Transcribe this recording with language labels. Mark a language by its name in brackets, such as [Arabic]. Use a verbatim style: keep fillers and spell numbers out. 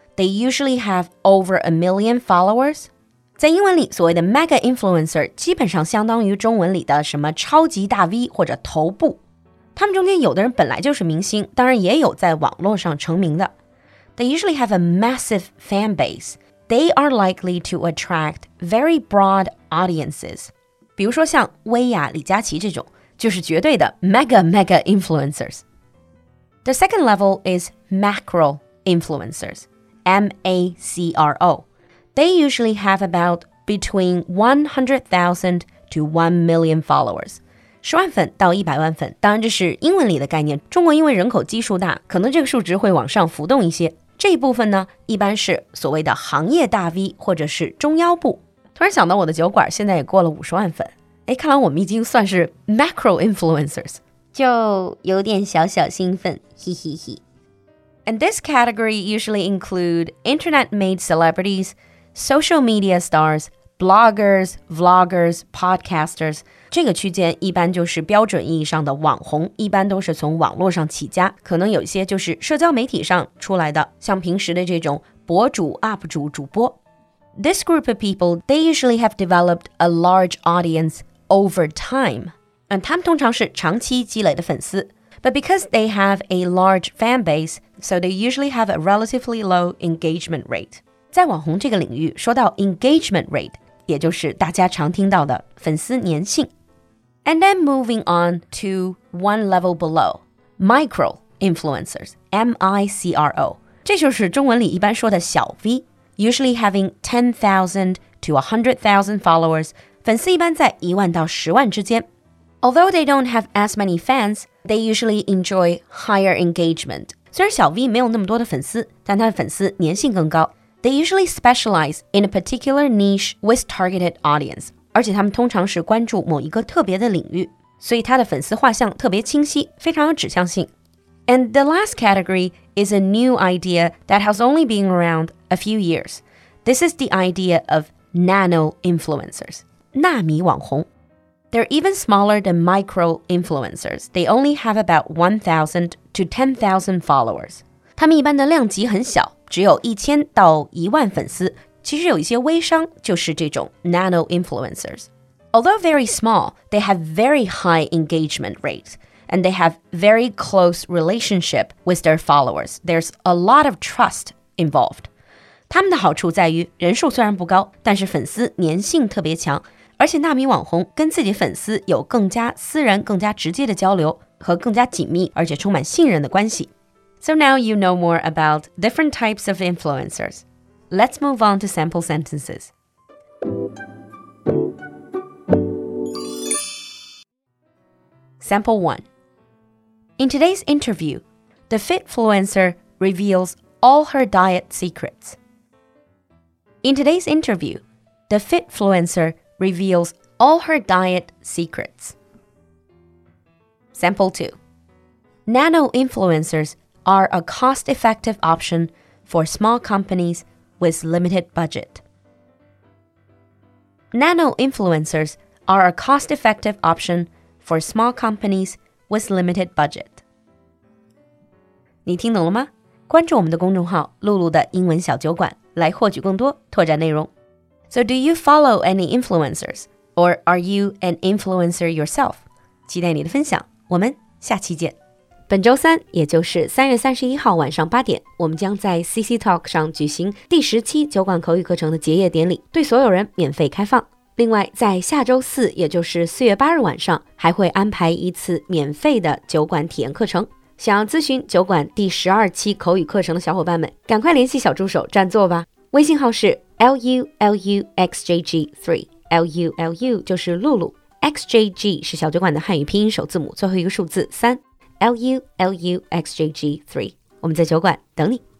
[English] They usually have over a million followers. [Chinese] 在英文里，所谓的 mega influencer 基本上相当于中文里的什么超级大 V 或者头部。他们中间有的人本来就是明星，当然也有在网络上成名的。 [English] They usually have a massive fan base. They are likely to attract very broad audiences. [Chinese] 比如说像薇娅、李佳琦这种，就是绝对的 mega mega influencers. [English] The second level is macro influencers, M A C R O. They usually have about between one hundred thousand to one million followers. [Chinese] 十万粉到一百万粉，当然这是英文里的概念，中国因为人口基数大，可能这个数值会往上浮动一些。这一部分呢，一般是所谓的行业大 V 或者是中腰部。突然想到我的酒馆现在也过了五十万粉，诶，看来我们已经算是 macro influencers， 就有点小小兴奋，嘿嘿嘿。 [English] And this category usually include internet-made celebrities, social media stars, bloggers, vloggers, podcasters. [Chinese] 这个区间一般就是标准意义上的网红，一般都是从网络上起家，可能有一些就是社交媒体上出来的，像平时的这种博主、U P 主、主播。 [English] This group of people, they usually have developed a large audience over time. [Chinese] 嗯，他们通常是长期积累的粉丝。 [English] But because they have a large fan base, so they usually have a relatively low engagement rate. [Chinese] 在网红这个领域，说到 engagement rate, 也就是大家常听到的粉丝粘性。 [English] And then moving on to one level below, micro influencers, M I C R O. [Chinese] 这就是中文里一般说的小 V, [English] usually having ten thousand to one hundred thousand followers, [Chinese] 粉丝一般在一万到十万之间。 [English] Although they don't have as many fans, they usually enjoy higher engagement. [Chinese] 虽然小 V 没有那么多的粉丝，但他的粉丝粘性更高。 [English] They usually specialize in a particular niche with targeted audience. [Chinese] 而且他们通常是关注某一个特别的领域，所以他的粉丝画像特别清晰，非常有指向性。 [English] And the last category is a new idea that has only been around a few years. This is the idea of nano influencers. [Chinese] 纳米网红。 [English] They're even smaller than micro-influencers. They only have about one thousand to ten thousand followers. [Chinese] 他们一般的量级很小，只有一千到一万粉丝。其实有一些微商就是这种 nano-influencers. [English] Although very small, they have very high engagement rates, and they have very close relationship with their followers. There's a lot of trust involved. [Chinese] 他们的好处在于，人数虽然不高，但是粉丝粘性特别强。而且纳米网红跟自己粉丝有更加私人、更加直接的交流和更加紧密而且充满信任的关系。 [English] So now you know more about different types of influencers. Let's move on to sample sentences. Sample one. In today's interview, the Fitfluencer reveals all her diet secrets. In today's interview, the Fitfluencer reveals all her diet secrets. Sample two. Nano-influencers are a cost-effective option for small companies with limited budget. Nano-influencers are a cost-effective option for small companies with limited budget. [Chinese] 你听懂了吗？关注我们的公众号“露露的英文小酒馆”，来获取更多拓展内容。 [English] So do you follow any influencers? Or are you an influencer yourself? [Chinese] 期待你的分享，我们下期见。本周三，也就是三月三十一号晚上八点，我们将在 C C Talk 上举行第十期酒馆口语课程的结业典礼，对所有人免费开放。另外，在下周四，也就是四月八日晚上，还会安排一次免费的酒馆体验课程。想要咨询酒馆第十二期口语课程的小伙伴们，赶快联系小助手占座吧。微信号是L U L U X J G 三 L U L U 就是露露 X J G 是小酒馆的汉语拼音首字母最后一个数字三 L U L U X J G 三我们在酒馆等你